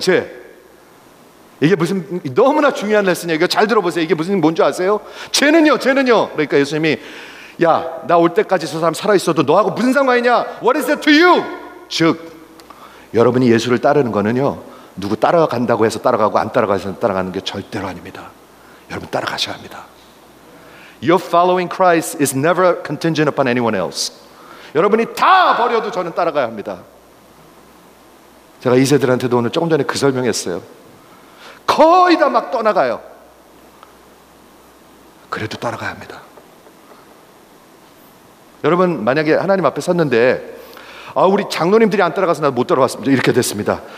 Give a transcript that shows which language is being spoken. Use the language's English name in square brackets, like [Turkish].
[Korean] 쟤 이게 무슨 너무나 중요한 레슨이에요. 잘 들어보세요. 이게 무슨 뭔지 아세요? 쟤는요. 그러니까 예수님이 야, 나 올 때까지 저 사람 살아있어도 너하고 무슨 상관이냐. [English] What is that to you? [Korean] 즉 여러분이 예수를 따르는 거는요 누구 따라간다고 해서 따라가고 안 따라가서 해서 따라가는 게 절대로 아닙니다. 여러분 따라가셔야 합니다. [English] Your following Christ is never contingent upon anyone else. [Korean] 여러분이 다 버려도 저는 따라가야 합니다. 제가 2세들한테도 오늘 조금 전에 그 설명했어요. 거의 다 막 떠나가요. 그래도 따라가야 합니다. 여러분 만약에 하나님 앞에 섰는데 아 우리 장로님들이 안 따라가서 나 못 따라왔습니다. 이렇게 됐습니다.